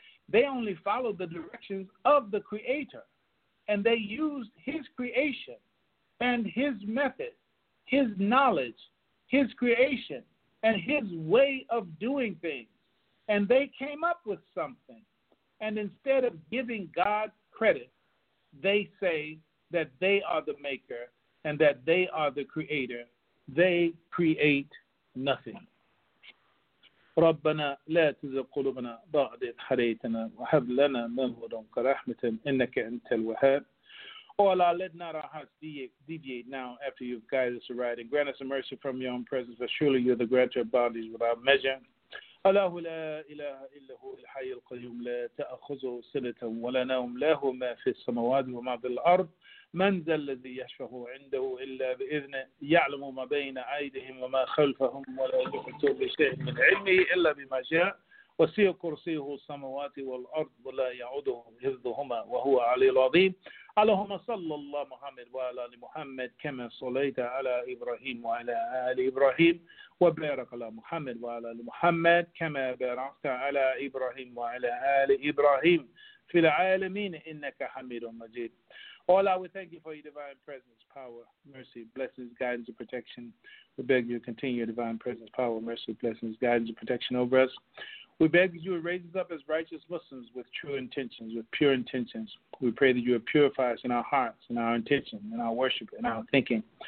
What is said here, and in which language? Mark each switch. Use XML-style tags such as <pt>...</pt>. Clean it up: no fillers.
<en>They only followed the directions of the Creator, and they used his creation and his method, his knowledge, his creation, and his way of doing things, and they came up with something. And instead of giving God credit, they say that they are the maker and that they are the creator. They create nothing.</en> <ar>ربنا لا تزغ قلوبنا بعد إذ هديتنا وهب لنا من لدنك رحمة إنك أنت الوهاب.</ar> <en>Oh Allah, let not our hearts deviate now after you've guided us aright, and grant us a mercy from your own presence, for surely you're the grantor of bounties without measure.</en> <ar>الله لا إله إلا هو الحي القيوم لا تأخذه سنة ولا نوم له ما في السماوات وما في الأرض من ذا الذي يشفع عنده إلا بإذنه يعلم ما بين أيديهم وما خلفهم ولا يحيطون بشيء من علمه إلا بما شاء وسع كرسيه السماوات والأرض ولا يعوده حفظهما وهو العلي العظيم اللهم صل الله محمد وعلى آل محمد كما صليت على إبراهيم وعلى آل إبراهيم وبارك على محمد وعلى آل محمد كما باركت على إبراهيم وعلى آل إبراهيم في العالمين إنك حميد مجيد.</ar> <en>Oh Allah, we thank you for your divine presence, power, mercy, blessings, guidance, and protection. We beg you to continue your divine presence, power, mercy, blessings, guidance, and protection over us. We beg that you would raise us up as righteous Muslims with true intentions, with pure intentions. We pray that you would purify us in our hearts, in our intention, in our worship, in our thinking.</en>